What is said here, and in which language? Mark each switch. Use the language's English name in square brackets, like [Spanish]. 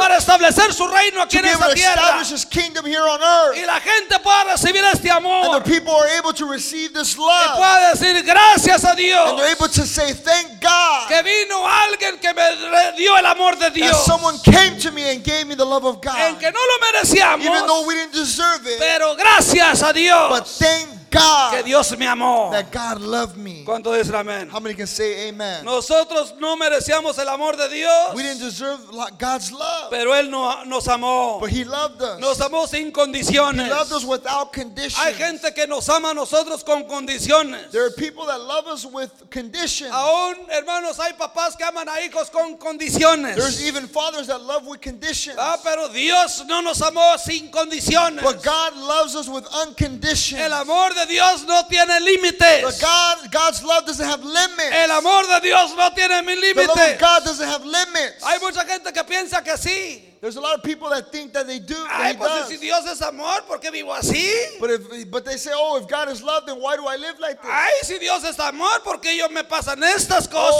[Spanish] Para establecer su reino aquí en esta tierra. [English] To be able to establish his kingdom here on earth. [Spanish] Y la gente pueda recibir este amor. [English] And the people are able to receive this love. [Spanish] Y pueda decir gracias a Dios. [English] And they're able to say thank God. [Spanish] Que vino alguien que me dio el amor de Dios. [English] That someone came to me and gave me the love of God. [Spanish] En que no lo merecíamos. [English] Even though we didn't deserve it. [Spanish] Pero gracias a Dios. [English] But thank God, [Spanish] que Dios me amó. [English] That God loved me. [Spanish] ¿Cuánto dicen amén? [English] How many can say amen? [Spanish] Nosotros no merecíamos el amor de Dios. [English] We didn't deserve God's love. [Spanish] Pero él no, nos amó. [English] But he loved us. [Spanish] Nos amó sin condiciones. [English] He loved us without conditions. [Spanish] Hay gente que nos ama a nosotros con condiciones. [English] There are people that love us with conditions. [Spanish] Aún, hermanos, hay papás que aman a hijos con condiciones. [English] There's even fathers that love with conditions. [Spanish] Ah, pero Dios no nos amó sin condiciones. [English] But God loves us with unconditions. [Spanish] El amor de Dios no tiene límites. [English] But God's love doesn't have limits. [Spanish] El amor de Dios no tiene límites. [English] The love of God doesn't have limits. [Spanish] Hay mucha gente que piensa que sí. [English] There's a lot of people that think that they do. [Spanish] Ay, pues si Dios es amor, ¿por qué vivo así? [English] But they say, oh, if God is love, then why do I live like this? [Spanish] Ay, si Dios es amor, ¿por qué yo me pasan estas cosas?